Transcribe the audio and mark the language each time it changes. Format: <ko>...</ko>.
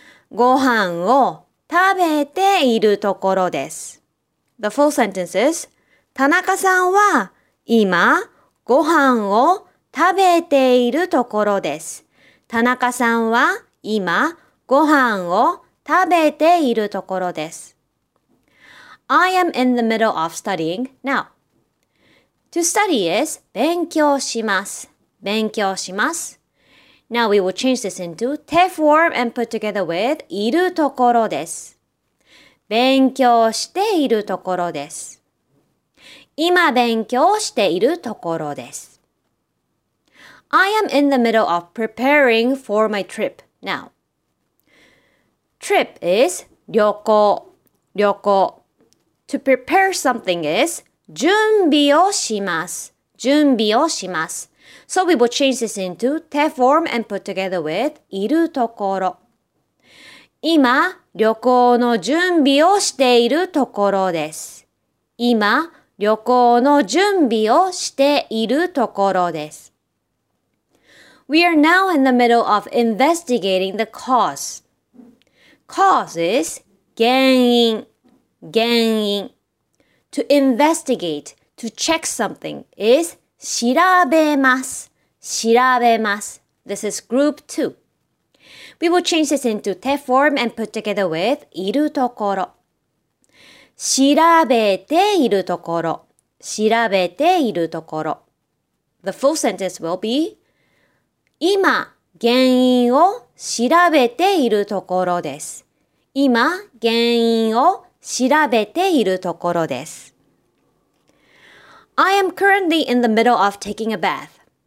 <ja>ご飯を食べているところです。</ja> <en>The full sentence is Tanaka-san は今ご飯を食べているところです。</en> <ja>田中さんは今ご飯を食べているところです。</ja> <en>I am in the middle of studying now. To study is 勉強します。勉強します。 Now we will change this into て form and put together with いるところです。</en> <ja>勉強しているところです。今勉強しているところです。</ja> <en>I am in the middle of preparing for my trip now. Trip is 旅行、旅行。 To prepare something is 準備をします、準備をします。 So we will change this into て form and put together with いるところ。</en> <ja>今、旅行の準備をしているところです。今、旅行の準備をしているところです。</ja> <en>We are now in the middle of investigating the cause. Cause is 原因、原因。 To investigate, to check something is 調べます、調べます。 This is group 2. We will change this into て form and put together with いるところ。</en> <ja>調べているところ、調べているところ。</ja> <en>The full sentence will be 今、原因を調べているところです。</en> <ja>今、原因を調べているところです。</ja> <en>I am currently in the middle of taking a bath.</en>